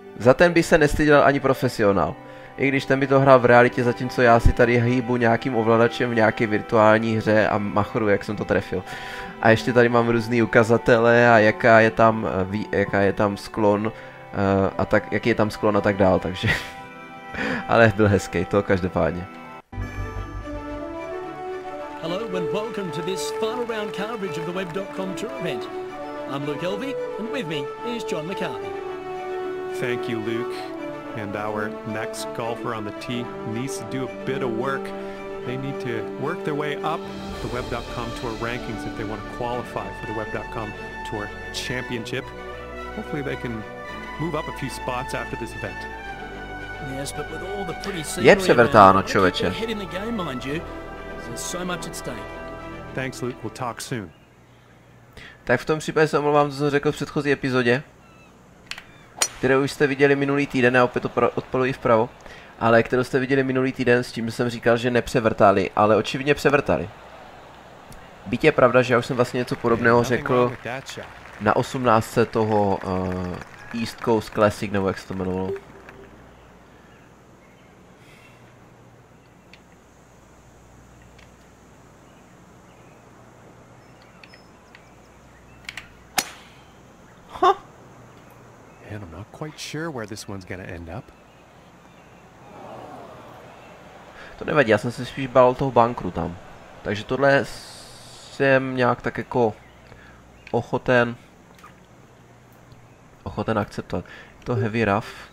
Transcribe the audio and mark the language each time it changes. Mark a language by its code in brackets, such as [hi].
[cs] Za ten by se nestyděl ani profesionál. I když ten by to hrál v realitě, zatímco já si tady hýbu nějakým ovladačem v nějaké virtuální hře a machru, jak jsem to trefil. A ještě tady mám různý ukazatele a jaká je tam sklon a tak, jaký je tam sklon a tak dál, takže... Ale byl hezký, to každopádně. [en] Hello and welcome to this final round coverage of the Web.com Tour event. I'm Luke Elvey, and with me is John McCarthy. Thank you, Luke. And our next golfer on the tee needs to do a bit of work. They need to work their way up the Web.com Tour rankings if they want to qualify for the Web.com Tour Championship. Hopefully they can move up a few spots after this event. Yes, but with all the pretty scenery around, they keep their head in the game, mind you. There's so much at stake. Thanks, Luke. We'll talk soon. [cs] Tak v tom případě se omlouvám, co jsem řekl v předchozí epizodě, kterou už jste viděli minulý týden, a opět odpaluji vpravo, ale kterou jste viděli minulý týden s tím, že jsem říkal, že nepřevrtali, ale očividně převrtali. Byť je pravda, že já už jsem vlastně něco podobného řekl na 18. toho East Coast Classic, nebo jak se to jmenovalo. [en] Quite sure where this one's gonna end up. [cs] To nevadí, já jsem se spíš bál toho bankru tam. Takže tohle jsem nějak tak jako ochoten akceptovat. Je to heavy rough.